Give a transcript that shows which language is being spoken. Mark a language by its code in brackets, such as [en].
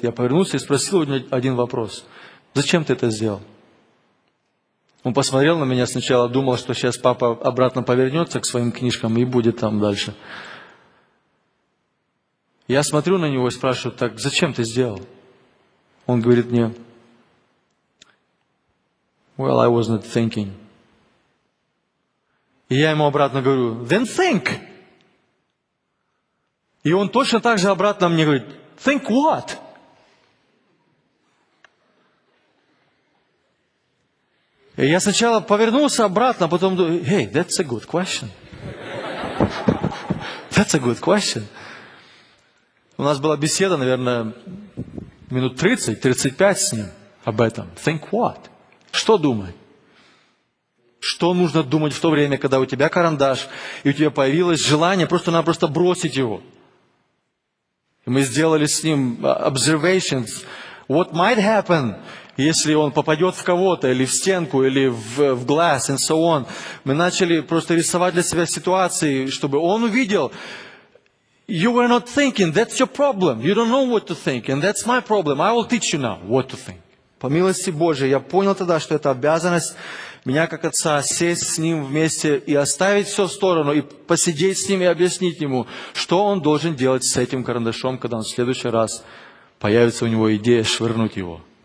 [ru] Я повернулся и спросил у него один вопрос: зачем ты это сделал? Он посмотрел на меня сначала, думал, что сейчас папа обратно повернется к своим книжкам и будет там дальше. Я смотрю на него и спрашиваю: так зачем ты сделал? Он говорит мне: [en] well, I wasn't thinking. [ru] И я ему обратно говорю: [en] then think. [ru] И он точно так же обратно мне говорит: [en] think what? [ru] И И я сначала повернулся обратно, а потом думаю, [en] hey, that's a good question. That's a good question. [ru] У нас была беседа, наверное, минут 30-35 с ним об этом. [en] Think what? [ru] Что думай? Что нужно думать в то время, когда у тебя карандаш, и у тебя появилось желание просто-напросто бросить его? И мы сделали с ним observations. [en] What might happen, [ru] если он попадет в кого-то, или в стенку, или в [en] glass, and so on. [ru] Мы начали просто рисовать для себя ситуации, чтобы он увидел. [en] You were not thinking, that's your problem. You don't know what to think, and that's my problem. I will teach you now what to think. [ru] По милости Божией, я понял тогда, что это обязанность меня как отца сесть с ним вместе и оставить все в сторону, и посидеть с ним и объяснить ему, что он должен делать с этим карандашом, когда он в следующий раз появится у него идея швырнуть его.